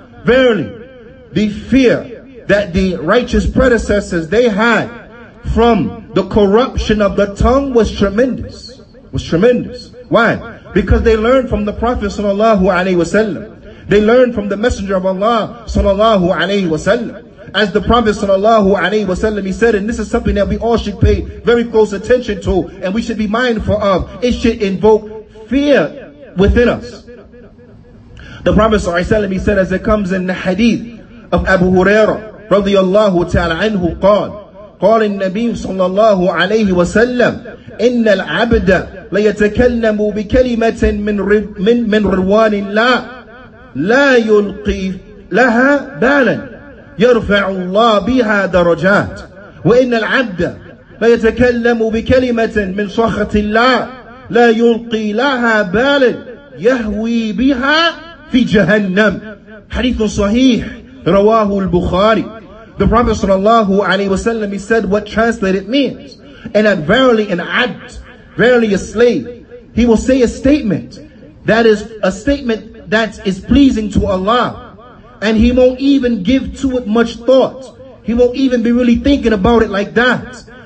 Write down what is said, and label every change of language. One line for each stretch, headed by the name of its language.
English: Verily, the fear that the righteous predecessors they had from the corruption of the tongue was tremendous. Was tremendous. Why? Because they learned from the Prophet sallallahu alayhi wa sallam. They learned from the Messenger of Allah sallallahu alayhi wa sallam. As the Prophet sallallahu alayhi wa sallam, he said, and this is something that we all should pay very close attention to and we should be mindful of. It should invoke fear within us. The Prophet sallallahu alayhi wa sallam, he said, as it comes in the hadith of Abu Hurairah radiyallahu ta'ala anhu,
Arabic: قال النبي صلى الله عليه وسلم إن العبد ليتكلم بكلمة من روان الله لا يلقي لها بالا يرفع الله بها درجات وإن العبد ليتكلم بكلمة من صخة الله لا يلقي لها بالا يهوي بها في جهنم. حديث صحيح رواه البخاري.
English: The Prophet sallallahu alayhi wa sallam, he said what translated means. And that verily an abd, verily a slave, he will say a statement that is a statement that is pleasing to Allah. And he won't even give to it much thought. He won't even be really thinking about it like that.